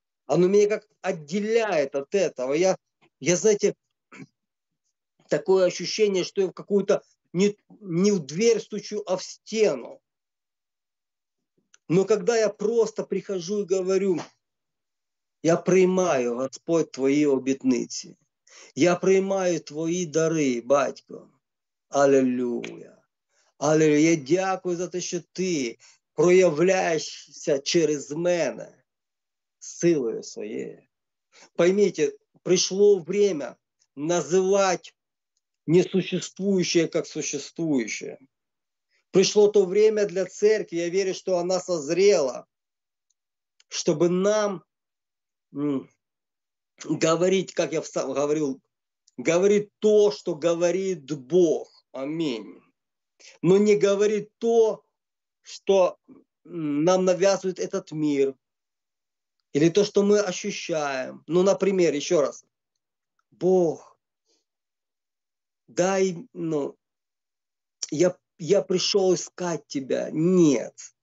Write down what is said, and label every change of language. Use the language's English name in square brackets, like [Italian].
[Russian] Оно меня как отделяет от этого. Я знаете, такое ощущение, что я в какую-то не в дверь стучу, а в стену. Но когда я просто прихожу и говорю, я принимаю, Господь, твои обетницы, я принимаю твои дары, батько. Аллилуйя. Аллилуйя. [Ukrainian] Я дякую за то, що ти проявляєшся через мене силою своєю. [Russian] Поймите, [Ukrainian] прийшло [Russian] время [Ukrainian] називати [Russian] несуществующее [Ukrainian] як [Russian] существующее. [Ukrainian] Прийшло [Russian] то время [Ukrainian] для церкви, я вірю, що вона [Russian] созрела, [Ukrainian] щоб нам говорити, як я сам говорив, говорити то, що говорить Бог. [Russian] Аминь. Но не говорит то, что нам навязывает этот мир, или то, что мы ощущаем. Ну, например, еще раз. Бог, дай, ну, я пришел искать тебя. Нет.